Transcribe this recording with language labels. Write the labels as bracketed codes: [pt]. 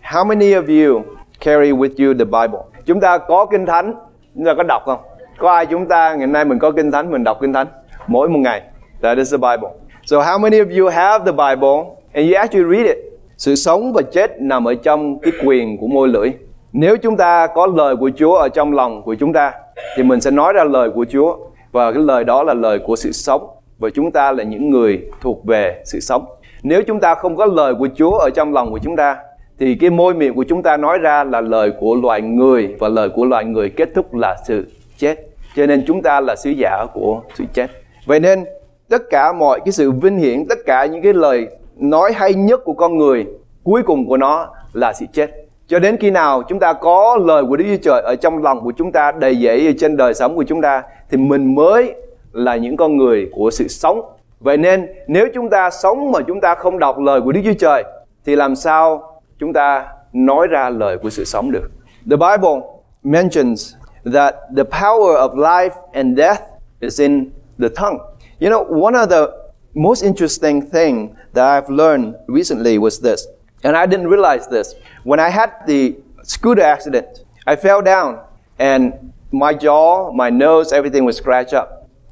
[en] How many of you carry with you the Bible? [vi] Chúng ta có Kinh Thánh, chúng ta có đọc không? Có ai chúng ta ngày nay mình có Kinh Thánh, mình đọc Kinh Thánh mỗi một ngày? [en] That is the Bible. So how many of you have the Bible and you actually read it? [vi] Sự sống và chết nằm ở trong cái quyền của môi lưỡi. Nếu chúng ta có lời của Chúa ở trong lòng của chúng ta, thì mình sẽ nói ra lời của Chúa. Và cái lời đó là lời của sự sống. Và chúng ta là những người thuộc về sự sống. Nếu chúng ta không có lời của Chúa ở trong lòng của chúng ta, thì cái môi miệng của chúng ta nói ra là lời của loài người, và lời của loài người kết thúc là sự chết. Cho nên chúng ta là sứ giả của sự chết. Vậy nên tất cả mọi cái sự vinh hiển, tất cả những cái lời nói hay nhất của con người, cuối cùng của nó là sự chết. Cho đến khi nào chúng ta có lời của Đức Chúa Trời ở trong lòng của chúng ta, đầy dẫy ở trên đời sống của chúng ta, thì mình mới là những con người của sự sống. Vậy nên nếu chúng ta sống mà chúng ta không đọc lời của Đức Chúa Trời, thì làm sao chúng ta nói ra lời của sự sống được? [en] The Bible mentions that the power of life and death is in the tongue. You know, one of the most interesting thing that I've learned recently was this. And I didn't realize this. When I had the scooter accident, I fell down and my jaw, my nose, everything was scratched up.